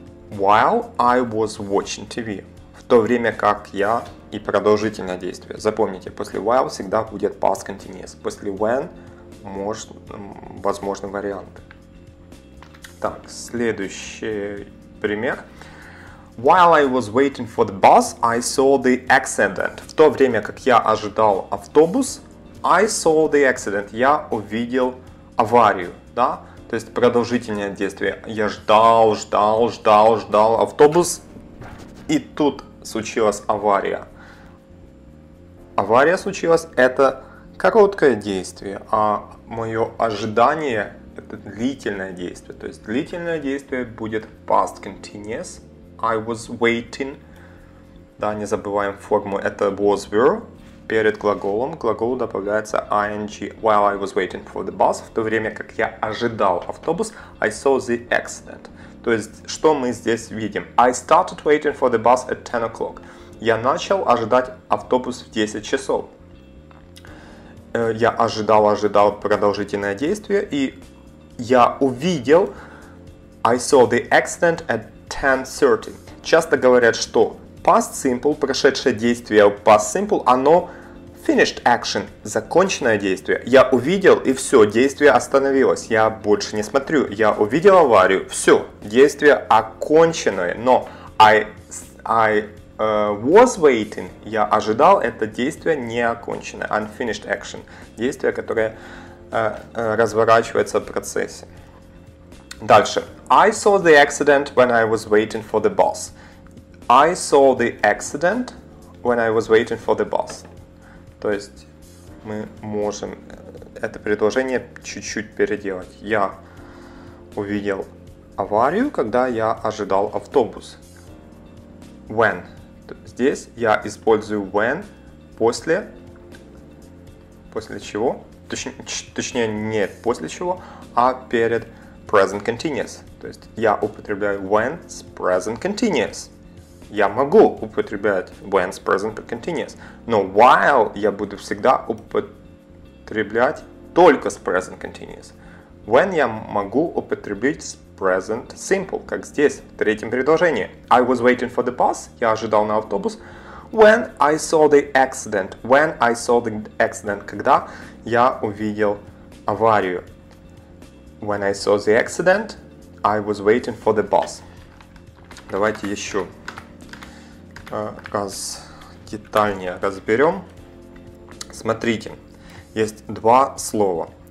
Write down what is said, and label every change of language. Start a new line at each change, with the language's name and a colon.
English: While I was watching TV.
Russian: В то время как я, и продолжительное действие. Запомните, после while всегда будет past continuous. После when возможны варианты. Так, следующий пример.
English: While I was waiting for the bus, I saw the accident.
Russian: В то время как я ожидал автобус,
English: I saw the accident.
Russian: Я увидел аварию. Да? То есть продолжительное действие. Я ждал, ждал, ждал, ждал автобус. И тут случилась авария. Авария случилась, это короткое действие, а мое ожидание – это длительное действие. То есть длительное действие будет past continuous.
English: I was waiting.
Russian: Да, не забываем форму. Это was, were. Перед глаголом к глаголу добавляется ing.
English: While I was waiting for the bus,
Russian: в то время как я ожидал автобус,
English: I saw the accident.
Russian: То есть, что мы здесь видим?
English: I started waiting for the bus at 10 o'clock.
Russian: Я начал ожидать автобус в 10 часов. Я ожидал, ожидал продолжительное действие, и я увидел,
English: I saw the accident at 10:30.
Russian: Часто говорят, что past simple, прошедшее действие past simple, оно
English: finished action,
Russian: законченное действие. Я увидел, и все, действие остановилось, я больше не смотрю. Я увидел аварию, все, действие оконченное, но was waiting, я ожидал, это действие не окончено,
English: unfinished action,
Russian: действие, которое разворачивается в процессе. Дальше.
English: I saw the accident when I was waiting for the bus. I saw the accident when I was waiting for the bus.
Russian: То есть мы можем это предложение чуть-чуть переделать. Я увидел аварию, когда я ожидал автобус. When. Здесь я использую when после, после чего, не после чего, а перед present continuous. То есть я употребляю when с present continuous. Я могу употреблять when с present continuous, но while я буду всегда употреблять только с present continuous. When я могу употребить с present simple, как здесь, в третьем предложении.
English: I was waiting for the bus,
Russian: я ожидал на автобус.
English: When I saw the accident, when I saw the accident,
Russian: когда я увидел аварию.
English: When I saw the accident, I was waiting for the bus.
Russian: Давайте еще раз детальнее разберем. Смотрите, есть два слова.